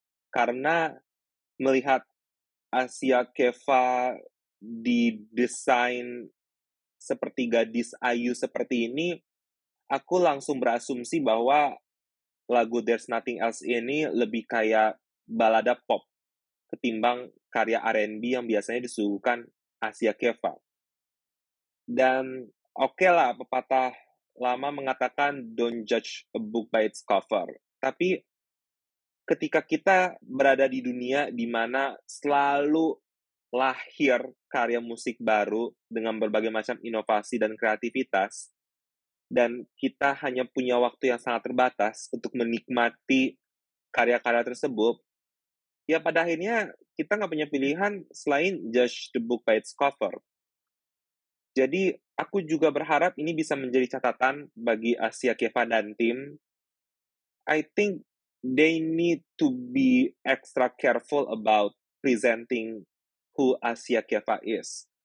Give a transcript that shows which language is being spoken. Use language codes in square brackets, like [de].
[id] Karena melihat Asia Keva didesain seperti gadis ayu seperti ini, aku langsung berasumsi bahwa lagu There's Nothing Else ini lebih kayak balada pop ketimbang karya R&B yang biasanya disuguhkan Asia Keva. Dan okelah, pepatah lama mengatakan [en] don't judge a book by its cover. [id] Tapi ketika kita berada di dunia di mana selalu lahir karya musik baru dengan berbagai macam inovasi dan kreativitas, dan kita hanya punya waktu yang sangat terbatas untuk menikmati karya-karya tersebut, ya pada akhirnya kita nggak punya pilihan selain [en] judge the book by its cover. [id] Jadi aku juga berharap ini bisa menjadi catatan bagi Asia Keva dan tim. [en] I think they need to be extra careful about presenting who Asia Keva is.